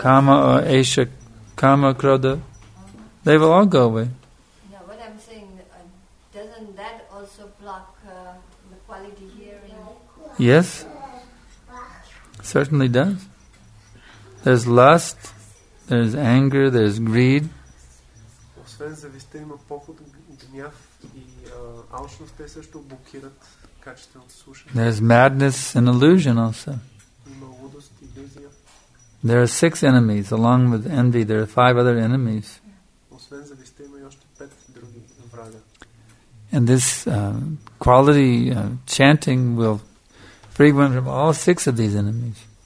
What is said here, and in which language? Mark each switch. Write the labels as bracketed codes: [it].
[en] Kama or Aisha, Kama, Krodha, they will all go away. No, what I'm saying, doesn't that also block the quality here? Yes, certainly does. There's lust. There's anger, there's greed. [bg] Освен завистта има поход, гняв и алчност, те също блокират качеството слушане. [en] There's madness and illusion also. [bg] Има лудост и иллюзия. [en] There are six enemies along with envy. There are five other enemies. [bg] Освен завистта има и още пет други врага. [en] And this quality of chanting will free one from all six of these enemies.